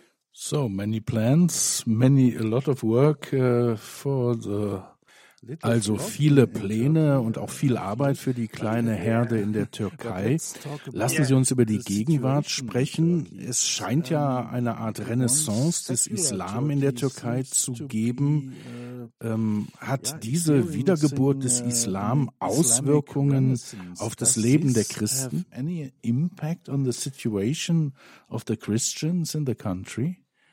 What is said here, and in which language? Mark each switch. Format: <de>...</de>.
<en>So, many plans, many, a lot of work for the...</en> <de>Also viele Pläne und auch viel Arbeit für die kleine Herde in der Türkei. Lassen Sie uns über die Gegenwart sprechen. Es scheint ja eine Art Renaissance des Islam in der Türkei zu geben. Hat diese Wiedergeburt des Islam Auswirkungen auf das Leben der Christen?</de> <en>Any impact on the situation of the Christians in the country?</en>